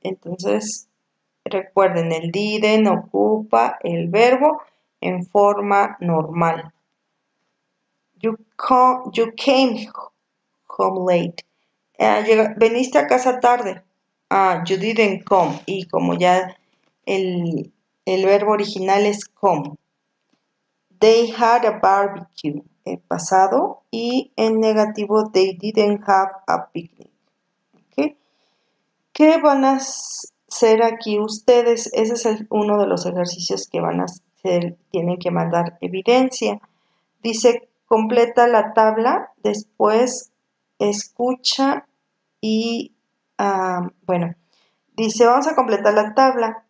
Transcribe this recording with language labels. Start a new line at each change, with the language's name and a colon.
Spanish: Entonces, recuerden, el didn't ocupa el verbo en forma normal.
English: You came home late.
Spanish: Veniste a casa tarde. Ah,
English: you didn't come.
Spanish: Y como ya el verbo original es come.
English: They had a barbecue.
Spanish: El pasado. Y en negativo,
English: they didn't have a picnic.
Spanish: ¿Qué van a hacer aquí ustedes? Ese es uno de los ejercicios que van a hacer. Tienen que mandar evidencia. Dice, completa la tabla, después escucha y, bueno, dice, vamos a completar la tabla.